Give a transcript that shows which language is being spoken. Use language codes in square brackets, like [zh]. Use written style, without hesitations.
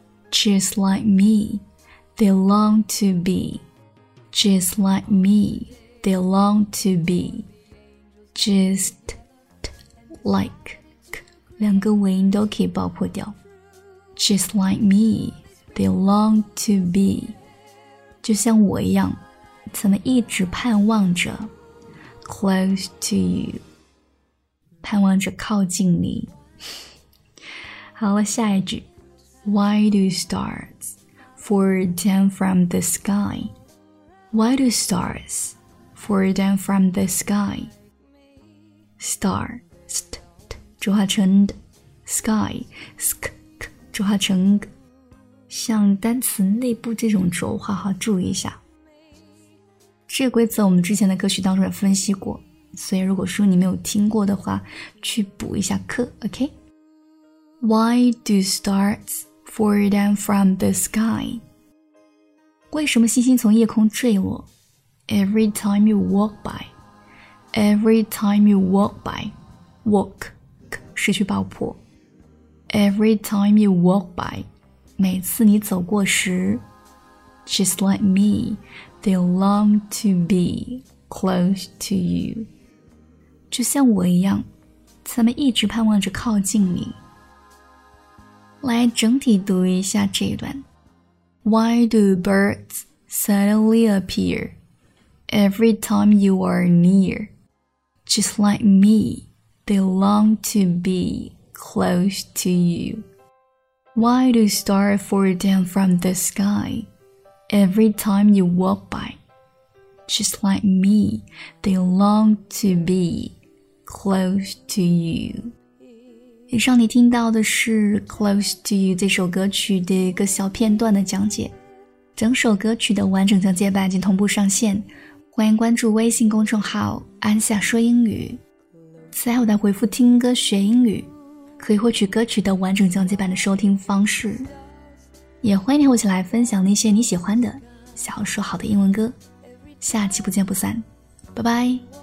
[en] Just like me, they long to be. Just like me, they long to be. Just like [zh] 两个尾音都可以爆破掉。 [en] Just like me, they long to be. [zh] 就像我一样，怎么一直盼望着 [en] close to you， [zh] 盼望着靠近你。好了，下一句。 [en] Why do stars fall down from the sky? Why do stars fall down from the sky? Star, st, [zh] 浊化成 [en] d, sky, sk, k, 浊化成 g. [zh] 像单词内部这种浊化，好，注意一下。这个规则我们之前的歌曲当中也分析过，所以如果说你没有听过的话，去补一下课 ，OK? [en] Why do starsFall down from the sky. [zh] 为什么星星从夜空坠落 ？ [en] Every time you walk by. Every time you walk by. Walk, [zh] 失去爆破。 [en] Every time you walk by. [zh] 每次你走过时。 [en] Just like me, they long to be close to you. [zh] 就像我一样，他们一直盼望着靠近你。来整体读一下这一段。 [en] Why do birds suddenly appear every time you are near? Just like me, they long to be close to you. Why do stars fall down from the sky every time you walk by? Just like me, they long to be close to you. [zh] 以上你听到的是 Close to You 这首歌曲的一个小片段的讲解，整首歌曲的完整讲解版已经同步上线，欢迎关注微信公众号安夏说英语，在后台回复听歌学英语，可以获取歌曲的完整讲解版的收听方式，也欢迎你和我一起来分享那些你喜欢的想要说好的英文歌，下期不见不散，拜拜。